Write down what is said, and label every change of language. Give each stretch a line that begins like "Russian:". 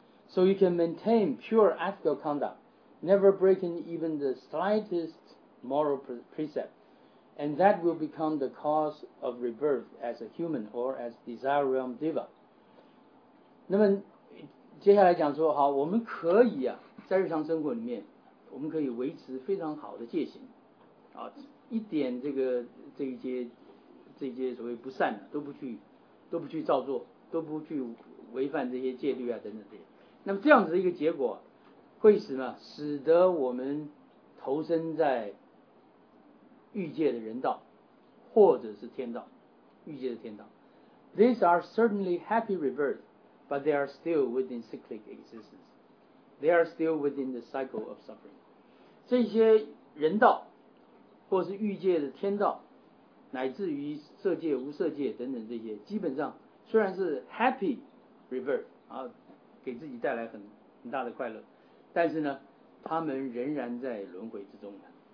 English: So you can maintain pure ethical conduct, never breaking even the slightest moral precept, and that will become the cause of rebirth as a human or as desire realm diva.
Chinese: 那么接下来讲说，好，我们可以啊，在日常生活里面，我们可以维持非常好的戒行啊，一点这些所谓不善的都不去造作，都不去违反这些戒律啊等等这些。那么这样子的一个结果会使呢，使得我们投身在欲界的人道或者是天道，欲界的天道。
English: These are certainly happy rebirth, but they are still within cyclic existence. They are still within the cycle of suffering.
Chinese: 这些人道或是欲界的天道，乃至于色界无色界等等，这些基本上虽然是
English: happy rebirth
Chinese: 啊，给自己带来很大的快乐，但是呢他们仍然在轮回之中的。